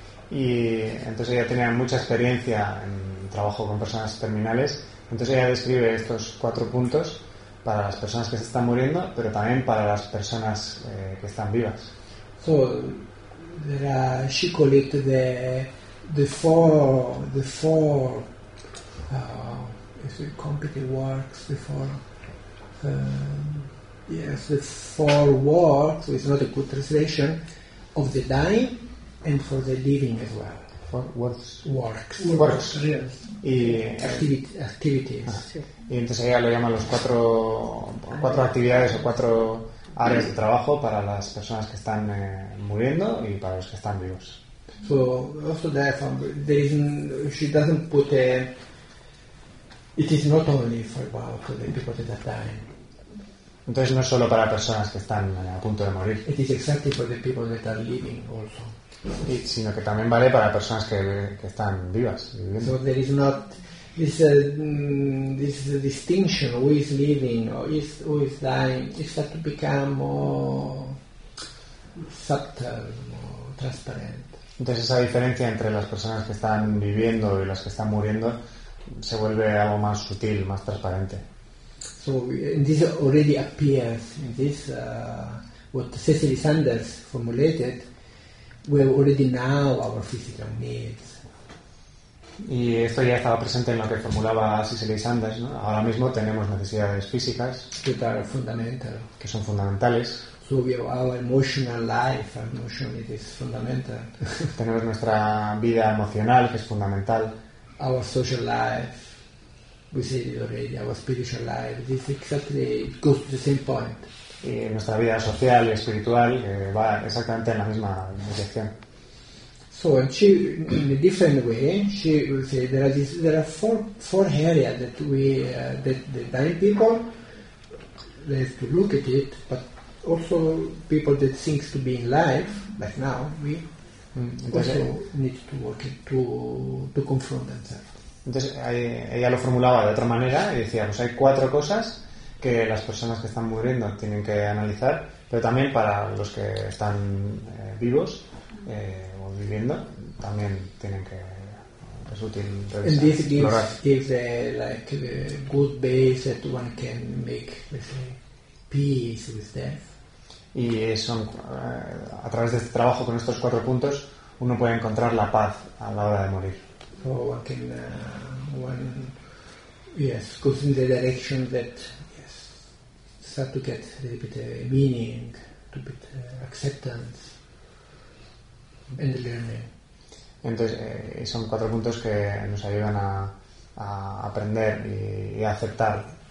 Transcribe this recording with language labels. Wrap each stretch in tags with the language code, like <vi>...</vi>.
<es>Y entonces ella tenía mucha experiencia en trabajo con personas terminales. Entonces ella describe estos cuatro puntos para las personas que se están muriendo, pero también para las personas que están vivas.</es> <en>So, she called it the four works, it's not a good translation, of the dying and for the living as well. For works. Works. Works. Yes.</en> <es>Y</es> <en>activities.</en> <es>Ah. Y entonces ella lo llama los cuatro actividades o cuatro áreas de trabajo para las personas que están muriendo y para los que están vivos.</es> <en>So also she doesn't put a. It is not only for the people that are dying.</en> <es>Entonces no solo para personas que están a punto de morir.</es> <en>It is exactly for the people that are living also.</en> <es>Sino que también vale para personas que están vivas.</es> <en>So there is not this is a distinction, who is living or is who is dying, it starts to become more subtle, more transparent.</en> <es>Entonces esa diferencia entre las personas que están viviendo y las que están muriendo se vuelve algo más sutil, más transparente.</es> <en>So this already appears in this what Cecily Sanders formulated. We already know our physical needs.</en> <es>Y esto ya estaba presente en lo que formulaba Cecily Sanders, ¿no? Ahora mismo tenemos necesidades físicas que son fundamentales.</es> <en>So we have our emotional life, our emotion it is fundamental.</en> <es>Tenemos nuestra vida emocional, que es fundamental.</es> <en>Our social life, we said it already, our spiritual life, this exactly it goes to the same point.</en> <es>Y nuestra vida social y espiritual va exactamente en la misma dirección.</es> <en>So and she, in a different way, she will say there are this, there are four areas that we that the dying people they have to look at it, but also people that think to be in life like now we entonces, also need to work to confront themselves.</en> <es>Entonces ella lo formulaba de otra manera y decía pues hay cuatro cosas que las personas que están muriendo tienen que analizar, pero también para los que están vivos o viviendo también tienen que es útil revisar.</es> <en>And this gives a like a good base that one can make, let's say, peace with death.</en> <es>Y son a través de este trabajo con estos cuatro puntos uno puede encontrar la paz a la hora de morir.</es> <en>So one can one goes in the direction that start to get a bit of meaning, a bit of acceptance and learning.</en> <es>Entonces son cuatro puntos que nos ayudan a aprender y a aceptar.</es>